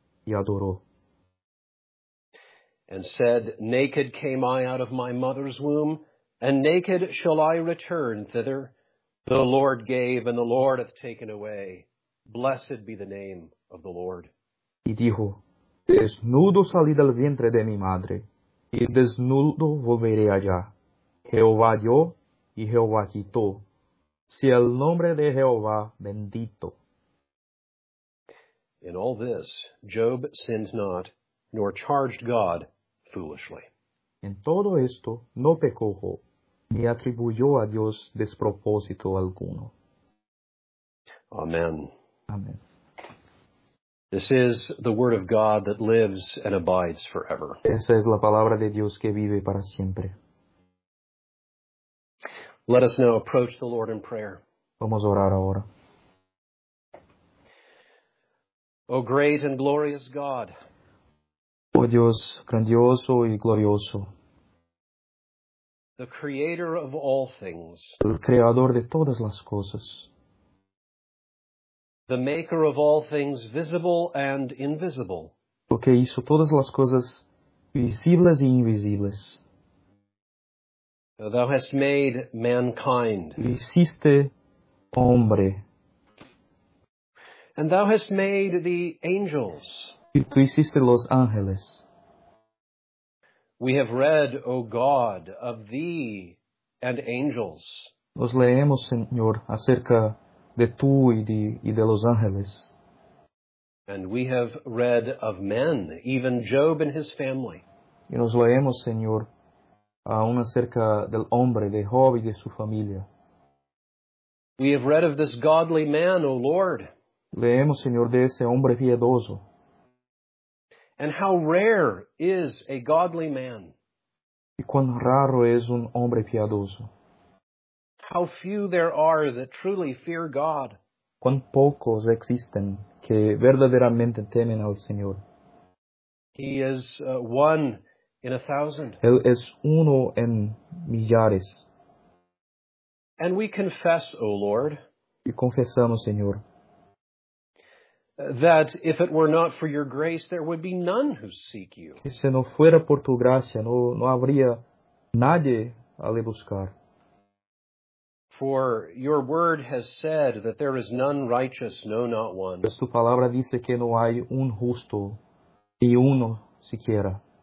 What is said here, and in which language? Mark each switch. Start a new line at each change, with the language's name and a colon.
Spanish: Y adoró.
English: And said, naked came I out of my mother's womb, and naked shall I return thither. The Lord gave, and the Lord hath taken away. Blessed be the name of the Lord.
Spanish: Y dijo, desnudo salí del vientre de mi madre, y desnudo volveré allá. Jehová dio, y Jehová quitó. Sea el nombre de Jehová bendito.
English: In all this, Job sinned not, nor charged God foolishly.
Spanish: En todo esto, no pecó Job, ni atribuyó a Dios despropósito alguno.
English: Amen. Amen. This is the word of God that lives and abides forever.
Spanish: Esa es la palabra de Dios que vive para siempre.
English: Let us now approach the Lord in prayer.
Spanish: Vamos a orar ahora.
English: O great and glorious God,
Spanish: oh Dios grandioso y glorioso,
English: the creator of all things,
Spanish: el creador de todas las cosas,
English: the maker of all things visible and invisible,
Spanish: o que hizo todas las cosas visibles e invisibles,
English: thou hast made mankind,
Spanish: hiciste hombre,
English: and thou hast made the angels.
Spanish: Y tú hiciste los ángeles.
English: We have read, O God, of Thee and angels.
Spanish: Nos leemos, Señor, acerca de Tú y de los ángeles.
English: And we have read of men, even Job and his family.
Spanish: Y nos leemos, Señor, aún acerca del hombre, de Job y de su familia.
English: We have read of this godly man, O Lord.
Spanish: Leemos, Señor, de ese hombre piedoso.
English: And how rare is a godly man.
Spanish: Y cuán raro es un hombre piadoso.
English: How few there are that truly fear God.
Spanish: Cuán pocos existen que verdaderamente temen al Señor.
English: He is one in a thousand.
Spanish: Él es uno en millares.
English: And we confess, O Lord.
Spanish: Y confesamos, Señor.
English: That if it were not for your grace, there would be none who seek you.
Spanish: Que si no fuera por tu gracia, no habría nadie a le buscar.
English: For your word has said that there is none righteous, no, not one.
Spanish: Pues tu palabra dice que no hay un justo, ni uno siquiera.